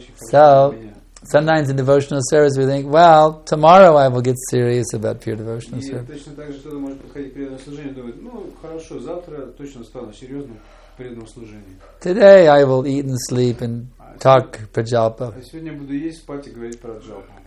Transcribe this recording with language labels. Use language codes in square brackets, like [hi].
[en] So, sometimes in devotional service we think, well, tomorrow I will get serious about pure devotional service. [ru] Точно так же кто-то может подходить к преданному служению и думать, ну, хорошо, завтра точно стану серьезным в преданном служении. [en] Today I will eat and sleep and talk prajapa. [ru] Сегодня буду есть, спать и говорить про джапу.